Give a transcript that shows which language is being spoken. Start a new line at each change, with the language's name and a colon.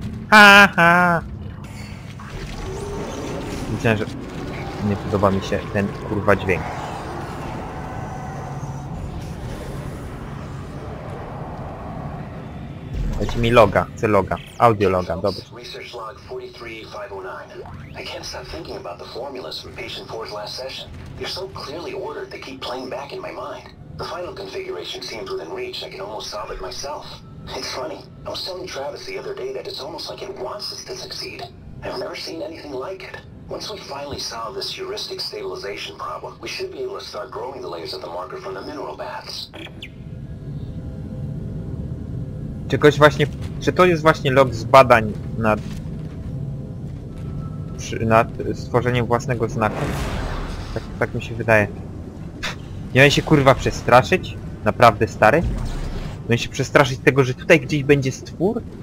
Polish: Ha ha! Widziałem, że nie podoba mi się ten kurwa dźwięk. Dajcie mi loga, chcę loga, audio loga, dobrze.
English: Research log 43509. I can't stop thinking about the formulas from patient 4's last session. They're so clearly ordered, they keep playing back in my mind. The final configuration seems within reach, I can almost solve it myself. It's funny, I was telling Travis the other day that it's almost like it wants us to succeed. I've never seen anything like it. Once we finally solve this heuristic stabilization problem, we should be able to start growing the layers of the marker from the mineral baths.
Polish: Czegoś właśnie... Czy to jest właśnie log z badań nad... nad stworzeniem własnego znaku? Tak mi się wydaje. Nie miałem się kurwa przestraszyć? Naprawdę stary? Miałem się przestraszyć tego, że tutaj gdzieś będzie stwór?